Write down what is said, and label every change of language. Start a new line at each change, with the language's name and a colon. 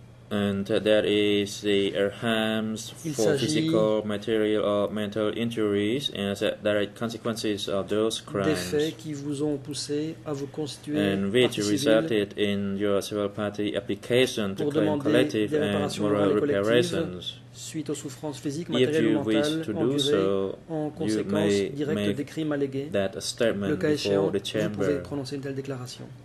English: And that is the harms for physical, material, or mental injuries and the direct consequences of those crimes.
French: Des faits qui vous ont poussé à vous constituer
English: and which resulted in your civil party application to claim collective and moral reparations.
French: Suite aux souffrances physiques, matérielles et mentales en conséquence directe des crimes allégués,
English: that statement
French: le cas échéant,
English: the chamber.
French: Vous pouvez prononcer une telle déclaration.